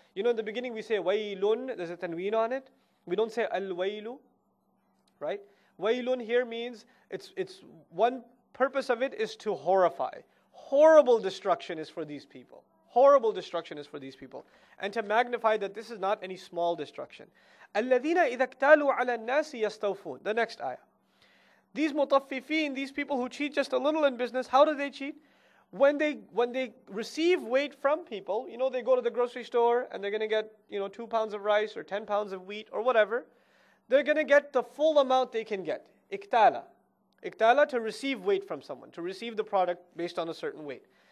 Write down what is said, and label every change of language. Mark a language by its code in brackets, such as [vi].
[en] You know, in the beginning we say, waylun, there's a tanween on it. We don't say al-waylu, right? Waylun here means, it's one purpose of it is to horrify. Horrible destruction is for these people. Horrible destruction is for these people. And to magnify that this is not any small destruction. [ar] الَّذِينَ إِذَا اكْتَالُوا عَلَى النَّاسِ يَسْتَوْفُونَ [en] The next ayah. These mutaffifin, these people who cheat just a little in business, how do they cheat? When they receive weight from people, you know, they go to the grocery store and they're going to get, you know, 2 pounds of rice or 10 pounds of wheat or whatever. They're going to get the full amount they can get. اِكْتَالَ Iktala, to receive weight from someone, to receive the product based on a certain weight.